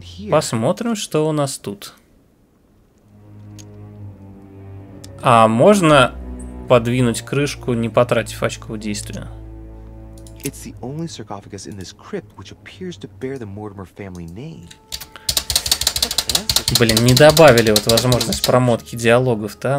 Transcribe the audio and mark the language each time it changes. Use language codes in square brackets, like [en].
[ru] Посмотрим, что у нас тут. А можно подвинуть крышку, не потратив очков действия? [en] It's the only sarcophagus in this crypt, which appears to bear the Mortimer family name. [ru] Блин, не добавили вот возможность промотки диалогов-то, а?